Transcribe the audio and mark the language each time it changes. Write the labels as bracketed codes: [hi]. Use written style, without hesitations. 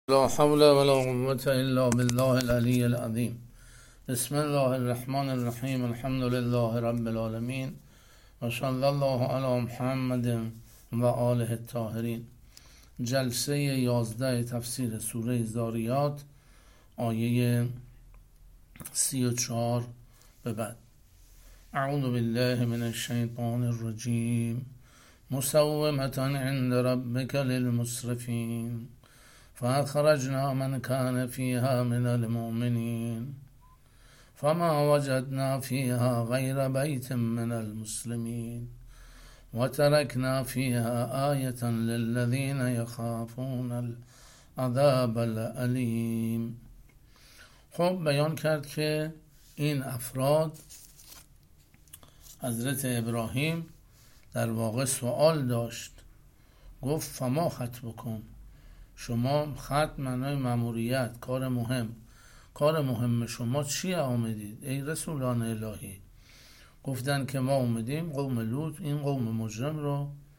[ar] لا حول ولا قوة إلا بالله العلي العظيم. بسم الله الرحمن الرحيم. الحمد لله رب العالمين، وصلى الله على محمد وآله الطاهرين. [fa] جلسه 11 تفسیر سوره زاریات آیه 34 به بعد. [ar] اعوذ بالله من الشیطان الرجیم. مسومة عند ربك للمسرفين فأخرجنا من كان فيها من المؤمنين فما وجدنا فيها غير بيت من المسلمين وتركنا فيها آية للذين يخافون العذاب الأليم. [fa] خب بیان کرد که این افراد حضرت ابراهیم در واقع سوال داشت، گفت [ar] فما خطبکم، [fa] شما خط معنای ماموریت، کار مهم شما چیه، آمدید ای رسولان الهی؟ گفتن که ما اومدیم قوم لوط، این قوم مجرم رو